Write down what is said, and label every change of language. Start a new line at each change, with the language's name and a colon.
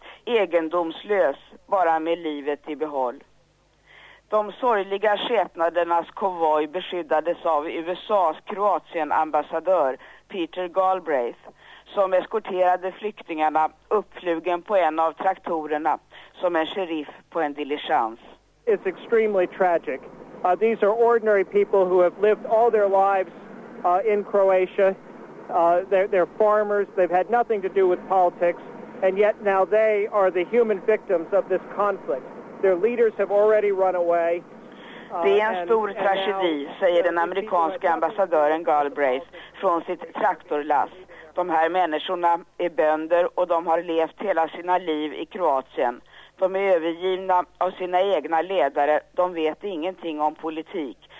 Swedish: Egendomslös, bara med livet i behåll. De sorgliga skepnadernas konvoj beskyddades av USAs Kroatienambassadör Peter Galbraith, som eskorterade flyktingarna uppflugen på en av traktorerna som en sheriff på en diligens.
English: It's extremely tragic. These are ordinary people who have lived all their lives in Croatia. They're farmers. They've had nothing to do with politics, and yet now they are the human victims of this conflict. Their leaders have already run away.
Swedish: Det är en stor tragedi, säger den amerikanska ambassadören Galbraith från sitt traktorlass. De här människorna är bönder och de har levt hela sina liv i Kroatien. De är övergivna av sina egna ledare. De vet ingenting om politik.